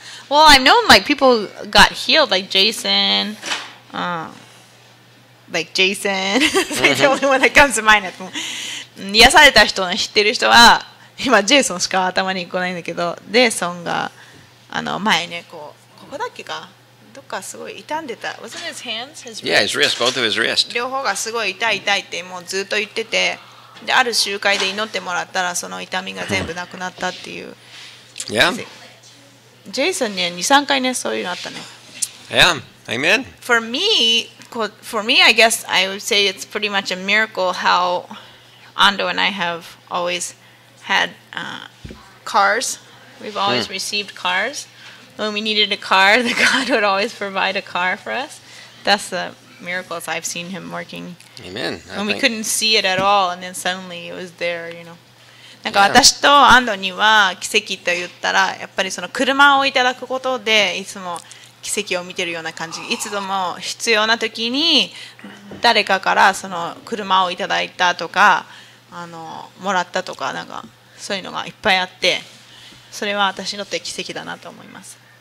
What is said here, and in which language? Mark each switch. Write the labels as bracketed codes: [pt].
[en] Well, I know like people got healed, like Jason. Like Jason. That's the only one that comes to mind. At [ja] the 癒された人の知ってる人は今ジェイソンしか頭に来ないんだけど、ジェイソンがあの前ね、こうここだっけか、どっかすごい痛んでた。 [en] Wasn't his hands? His wrist. Yeah, his wrist. Both of his wrist. [ja] 両方がすごい痛い痛いってもうずっと言ってて、で、ある集会で祈ってもらったらその痛みが全部なくなったっていう。 [en] Yeah. [ja] ジェイソンね、2、3回ね、そういうのあったね。 [en] Yeah. Amen. For me, I guess I would say it's pretty much a miracle how Ando and I have always had cars. We've always received cars. When we needed a car, the God would always provide a car for us. That's the miracles I've seen him working. Amen. When we couldn't see it at all, and then suddenly it was there, you know. [ja] なんか私とアンドには奇跡と言ったら、やっぱりその車をいただくことでいつも奇跡を見てるような感じ。いつでも必要な時に誰かからその車をいただいたとか、あのもらったとか、なんかそういうのがいっぱいあって、それは私にとって奇跡だなと思います。